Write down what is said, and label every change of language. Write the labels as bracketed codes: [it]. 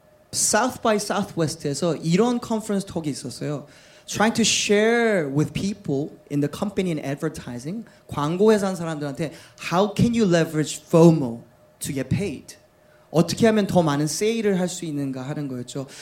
[ko] 사우스 바이 사우스웨스트에서 이런 컨퍼런스 톡이 있었어요. [en] Trying to share with people in the company and advertising, [ko] 광고회사 사람들한테 [en] how can you leverage FOMO to get paid? [ko] 어떻게 하면 더 많은 세일을 할 수 있는가 하는 거였죠.